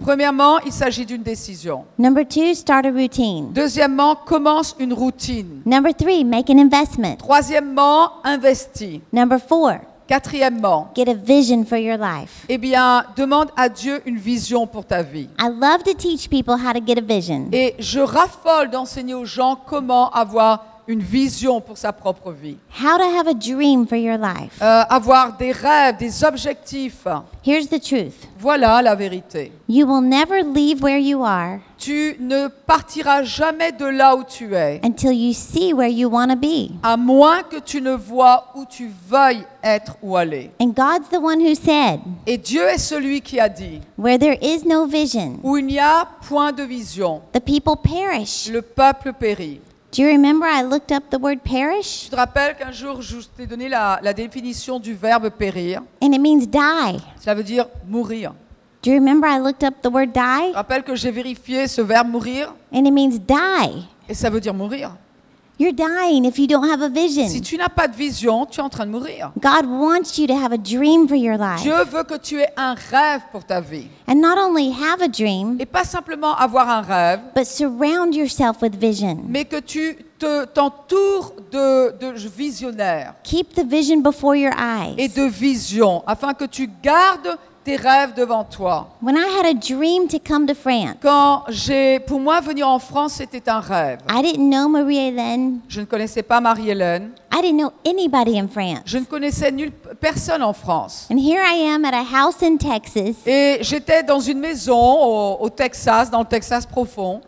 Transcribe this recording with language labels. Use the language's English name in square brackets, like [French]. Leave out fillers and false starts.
[French] Premièrement, il s'agit d'une décision. [English] Number two, start a routine. [French] Deuxièmement, commence une routine. [English] Number three, make an investment. [French] Troisièmement, investis. [English] Number four, [French] quatrièmement, [English] get a vision for your life. [French] Eh bien, demande à Dieu une vision pour ta vie. [English] I love to teach people how to get a vision. [French] Et je raffole d'enseigner aux gens comment avoir une vision pour sa propre vie. [English] How to have a dream for your life. [French] Avoir des rêves, des objectifs. [English] Here's the truth. [French] Voilà la vérité. [English] You will never leave where you are. [French] Tu ne partiras jamais de là où tu es. [English] Until you see where you want to be. [French] À moins que tu ne vois où tu veuilles être ou aller. [English] And God's the one who said. [French] Et Dieu est celui qui a dit. [English] Where there is no vision. [French] Où il n'y a point de vision. [English] The people perish. [French] Le peuple périt. [English] Do you remember I looked up the word perish? [French] Tu te rappelles qu'un jour je t'ai donné la définition du verbe périr? [English] And it means die. [French] Cela veut dire mourir. [English] Do you remember I looked up the word die? [French] Tu te rappelles que j'ai vérifié ce verbe mourir? [English] And it means die. [French] Et ça veut dire mourir. [English] You're dying if you don't have a vision. [French] Si tu n'as pas de vision, tu es en train de mourir. [English] God wants you to have a dream for your life. [French] Dieu veut que tu aies un rêve pour ta vie. [English] And not only have a dream, [French] et pas simplement avoir un rêve, [English] but surround yourself with vision. [French] Mais que tu t'entoures de visionnaires. [English] Keep the vision before your eyes. [French] Et de vision, afin que tu gardes tes rêves devant toi. [English] When I had a dream to come to France, [French] quand j'ai, pour moi, venir en France, c'était un rêve. [English] I didn't know Marie-Hélène. [French] Je ne connaissais pas Marie-Hélène. [English] I didn't know anybody in France. [French] Je ne connaissais nulle personne en France. [English] And here I am at a house in Texas. [French] Et j'étais dans une maison au Texas, dans le Texas profond.